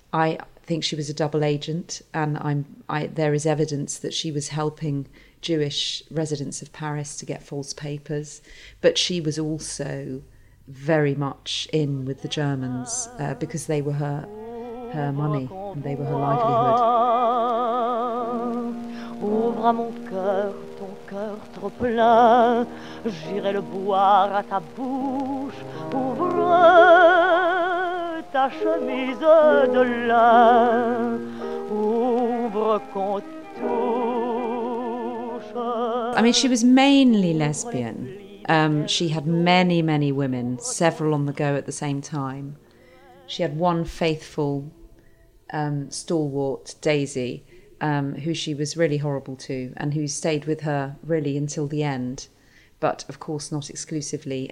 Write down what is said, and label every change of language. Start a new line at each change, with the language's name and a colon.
English: I think she was a double agent. And there is evidence that she was helping Jewish residents of Paris to get false papers. But she was also very much in with the Germans because they were her money and they were her livelihood.
French: Ouvre mon cœur, ton cœur trop plein, j'irai le boire à ta bouche. Ouvre ta chemise de lin, ouvre qu'on touche.
English: I mean, she was mainly lesbian. She had many, many women, several on the go at the same time. She had one faithful stalwart, Daisy, who she was really horrible to and who stayed with her really until the end, but of course not exclusively.